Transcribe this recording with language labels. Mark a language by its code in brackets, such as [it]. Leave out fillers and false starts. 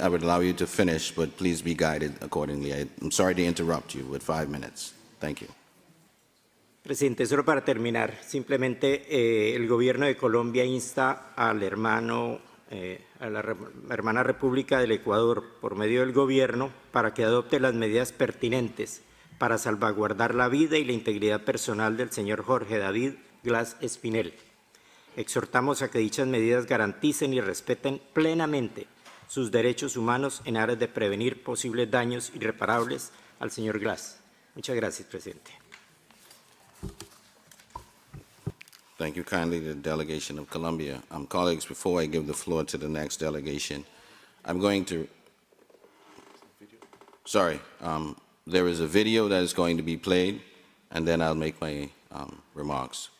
[en] I would allow you to finish, but please be guided accordingly. I'm sorry to interrupt you with 5 minutes. Thank you. [es] Presidente, solo para terminar, simplemente el gobierno de Colombia insta al hermano, a la hermana República del Ecuador por medio del gobierno para que adopte las medidas pertinentes para salvaguardar la vida y la integridad personal del señor Jorge David Glass Espinel. Exhortamos a que dichas medidas garanticen y respeten plenamente sus derechos humanos en aras de prevenir posibles daños irreparables al señor Glass. Muchas gracias, presidente. [en] Thank you kindly to the delegation of Colombia. Colleagues, before I give the floor to the next delegation, I'm going to... Sorry, there is a video that is going to be played, and then I'll make my remarks.